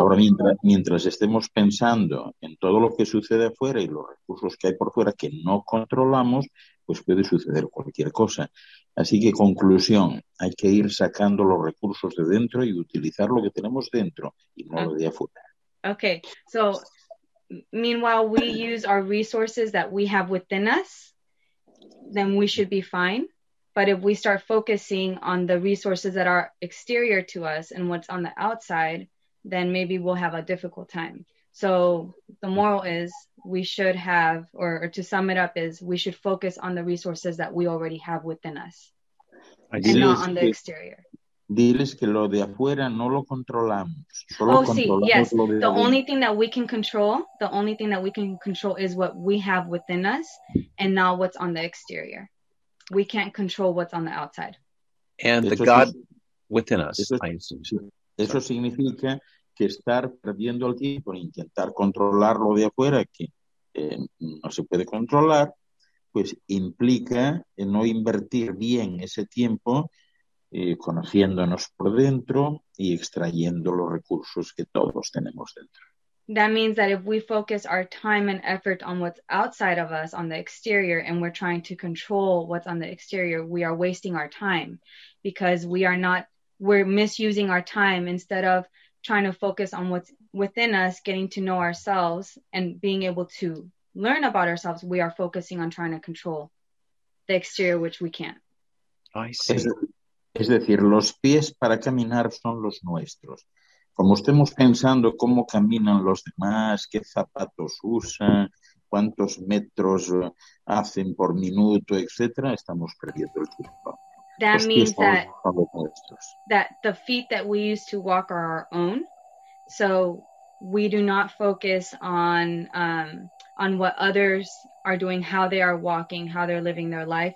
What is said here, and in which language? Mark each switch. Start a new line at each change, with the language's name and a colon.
Spanish: Ahora, mientras estemos pensando en todo lo que sucede afuera y los recursos que hay por fuera que no controlamos, pues puede suceder cualquier cosa. Así que, conclusión, hay que ir sacando los recursos de dentro y utilizar lo que tenemos dentro y no lo de afuera.
English: Okay, so meanwhile we use our resources that we have within us, then we should be fine. But if we start focusing on the resources that are exterior to us and what's on the outside, then maybe we'll have a difficult time. So the moral is we should have, or to sum it up is we should focus on the resources that we already have within us and not on the exterior.
Spanish: Diles que lo de afuera no lo controlamos.
English: The only thing that we can control, the only thing that we can control is what we have within us and not what's on the exterior. We can't control what's on the outside. And the God within us.
Spanish: Eso significa que estar perdiendo el tiempo en intentar controlar lo de afuera, que no se puede controlar, pues implica no invertir bien ese tiempo conociéndonos por dentro y extrayendo los recursos que todos tenemos dentro.
English: That means that if we focus our time and effort on what's outside of us, on the exterior, and we're trying to control what's on the exterior, we are wasting our time because we're misusing our time instead of trying to focus on what's within us, getting to know ourselves and being able to learn about ourselves, we are focusing on trying to control the exterior, which we can't. I see.
Spanish: Es decir, los pies para caminar son los nuestros. Como estemos pensando cómo caminan los demás, qué zapatos usan, cuántos metros hacen por minuto, etc., estamos perdiendo el tiempo.
English: That means that the feet that we use to walk are our own. So we do not focus on what others are doing, how they are walking, how they're living their life.